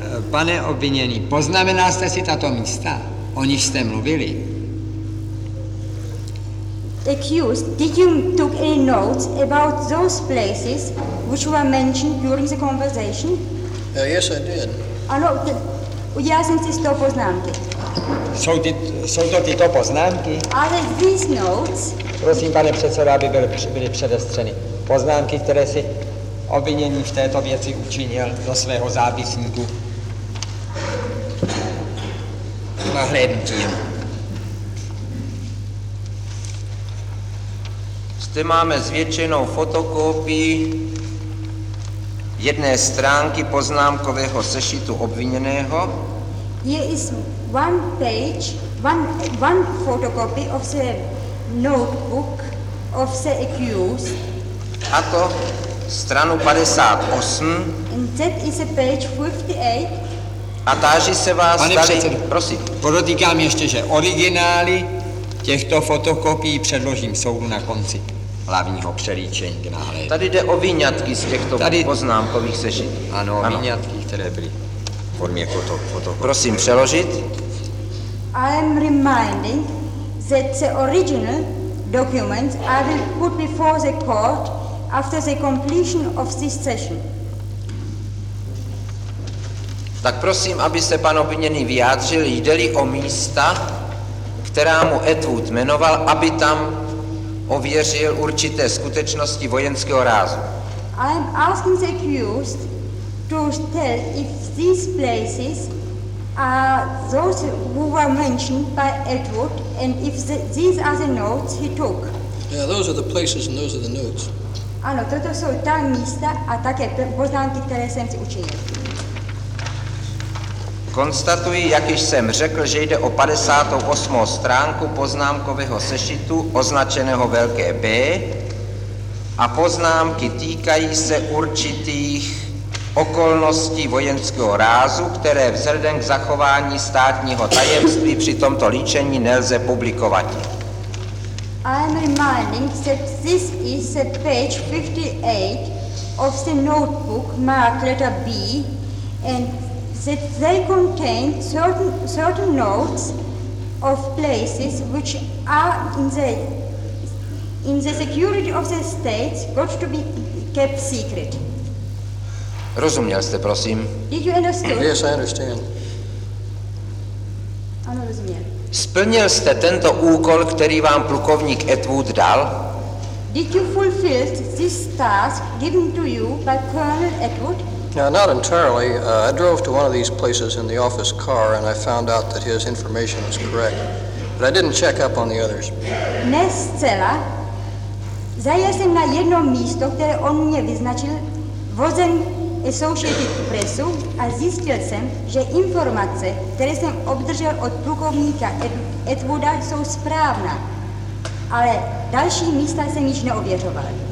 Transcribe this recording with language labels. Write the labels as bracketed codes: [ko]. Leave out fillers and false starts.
[cs] Pane obviněný, poznamenal jste si tato místa? O nich jste mluvili? [en] Accused, did you took any notes about those places which were mentioned during the conversation? Yes, I did. [cs] Ano, udělal jsem si z toho poznámky. Jsou to tyto poznámky? [en] Are these notes? [cs] Prosím, pane předsedo, aby byly předestřeny. Poznámky, které si obvinění v této věci učinil do svého zápisníku. Nahlédnutím. Zde máme zvětšenou fotokopii jedné stránky poznámkového sešitu obviněného. [en] Here is one page, one photocopy of the notebook of the accused. [cs] A to stranu 58. [en] And that is a page 58. [cs] A táži se vás, pane předsedo, prosím. Podotýkám ještě, že originály těchto fotokopií předložím soudu na konci hlavního přelíčení k náhledu. Tady jde o výňatky z těchto poznámkových sešitů. Ano, ano. Výňatky, které byly v formě fotokopií. Prosím přeložit. [en] I am reminding that the original documents I will put before the court after the completion of this session. [cs] Tak prosím, aby se pan obviněný vyjádřil, jde-li o místa, která mu Atwood jmenoval, aby tam ověřil určité skutečnosti vojenského rázu. [en] I am asking the accused to tell if these places are those who were mentioned by Atwood and if these are the notes he took. Yeah, those are the places and those are the notes. [cs] Ano, toto jsou ta místa a také poznámky, které jsem si učinil. Konstatuji, jak již jsem řekl, že jde o 58. stránku poznámkového sešitu označeného velké B a poznámky týkají se určitých okolností vojenského rázu, které vzhledem k zachování státního tajemství při tomto líčení nelze publikovat. [en] I am reminding that this is a page 58 of the notebook marked letter B and that they contain certain notes of places which are in the security of the state got to be kept secret. [cs] Rozuměl jste, prosím? [en] Did you understand? Yes, I understand. [cs] Ano, rozuměl. Splnil jste tento úkol, který vám plukovník Atwood dal? [en] Did you fulfill this task given to you by Colonel Atwood? No, not entirely. I drove to one of these places in the office car and I found out that his information was correct. But I didn't check up on the others. [cs] Ne zcela. Zajel jsem na jedno místo, které on mě vyznačil, vozem Associated Pressu a zjistil jsem, že informace, které jsem obdržel od plukovníka Atwooda, jsou správná. Ale další místa jsem již neověřoval.